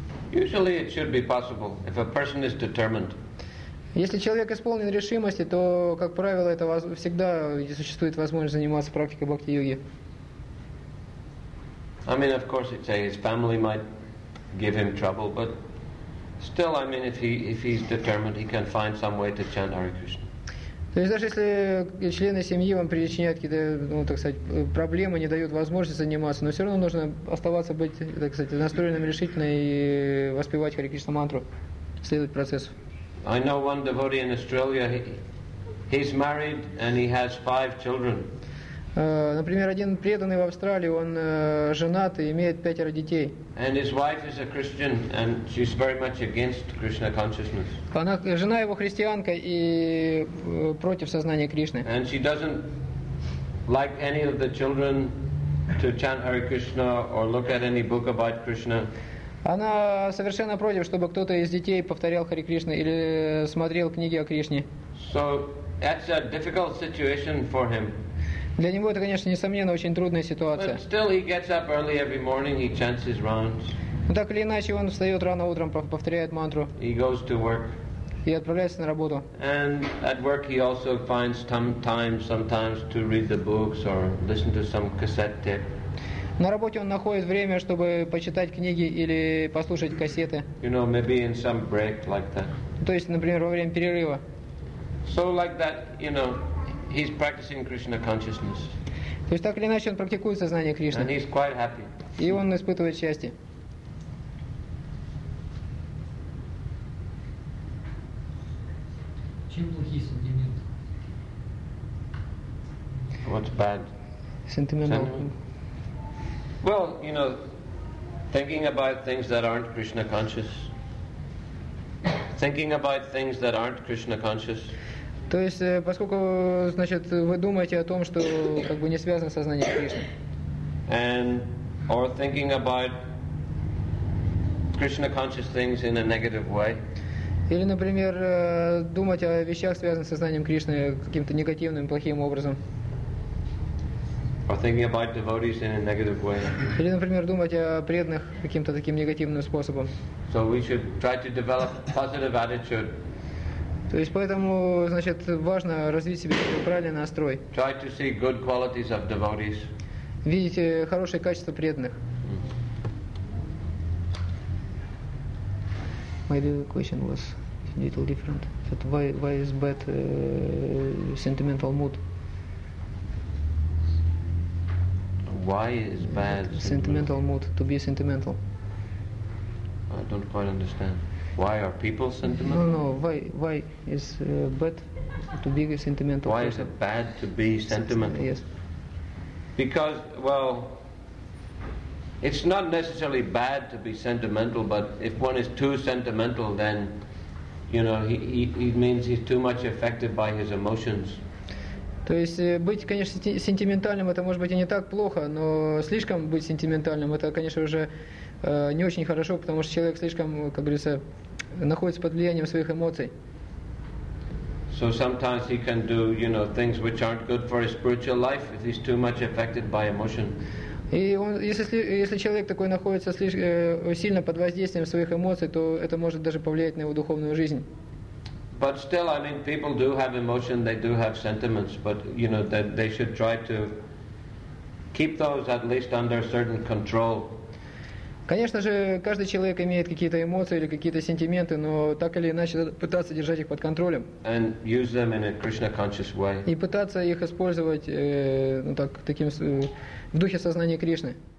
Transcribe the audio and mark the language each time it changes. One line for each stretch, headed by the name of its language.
English: Usually, it should be possible if a person is determined.
Russian: Если человек исполнен решимости, то как правило это всегда существует возможность заниматься практикой бхакти йоги.
English: I mean, of course, it's his family might give him trouble, but. Still, I mean, if he's determined, he can find some way to chant Hare Krishna.
Russian: То есть даже если члены семьи вам причиняют какие-то, ну так сказать, проблемы, не дают возможности заниматься, но все равно нужно оставаться быть, так сказать, настроенным решительно и воспевать Hare Krishna мантру, следовать процессу.
English: I know one devotee in Australia. He's married and he has 5 children.
Russian: Например, один преданный в Австралии, он женат и имеет 5 детей.
English: And his wife is a Christian, and she's very much against Krishna consciousness.
Russian: Она, жена его христианка и против сознания Кришны.
English: And she doesn't like any of the children to chant Hare Krishna or look at any book about Krishna.
Russian: Она совершенно против, чтобы кто-то из детей повторял Хари Кришна или смотрел книги о Кришне.
English: So that's a difficult situation for him.
Russian: Для него это, конечно, несомненно, очень трудная ситуация. Но так или иначе, он встает рано утром, повторяет мантру.
English: He goes to work.
Russian: И отправляется на работу.
English: And at work he also finds some time sometimes to read the books or listen to some cassette tape.
Russian: На работе он находит время, чтобы почитать книги или послушать кассеты.
English: You know, maybe in some break like that.
Russian: То есть, например, во время перерыва.
English: So like that, you know. He's practicing Krishna consciousness.
Russian: То есть так или иначе он практикует сознание Кришны.
English: And he's quite happy.
Russian: И он испытывает счастье. Чем плохие сантименты?
English: What's bad? Sentimental. Well, you know, thinking about things that aren't Krishna conscious. Thinking about things that aren't Krishna conscious.
Russian: То есть, поскольку, значит, вы думаете о том, что как бы не связано с сознанием Кришны.
English: And or thinking about Krishna conscious things in a negative way.
Russian: Или, например, думать о вещах, связанных с сознанием Кришны, каким-то негативным, плохим образом.
English: Or thinking about devotees in a negative way.
Russian: Или, например, думать о преданных каким-то таким негативным способом.
English: So we should try to develop positive attitude.
Russian: То есть поэтому, значит, важно развить себе правильный настрой.
English: Try to see good qualities of devotees.
Russian: Видеть хорошие качества преданных.
English: Maybe the question was a little different. That why is bad sentimental mood? Why is bad sentimental mood? To be sentimental. I don't quite understand. Why are people sentimental? No. Why is bad to be sentimental? Why is it bad to be sentimental? Yes. Because, well, it's not necessarily bad to be sentimental, but if one is too sentimental, then, you know, he means he's too much affected by his emotions.
Russian: То есть быть, конечно, сентиментальным, это может быть и не так плохо, но слишком быть сентиментальным, это, конечно, уже не очень хорошо, потому что человек слишком, как говорится, находится под влиянием своих эмоций.
English: So sometimes he can do, you know, things which aren't good for his spiritual life if he's too much affected by emotion.
Russian: И он, если человек такой находится слишком сильно под воздействием своих эмоций, то это может даже повлиять на его духовную жизнь.
English: But still, I mean, people do have emotion, they do have sentiments, but, you know, that they should try to keep those at least under certain control.
Russian: Конечно же, каждый человек имеет какие-то эмоции или какие-то сентименты, но так или иначе пытаться держать их под контролем.
English: And use them in a Krishna-conscious way.
Russian: И пытаться их использовать, ну, так, таким, в духе сознания Кришны.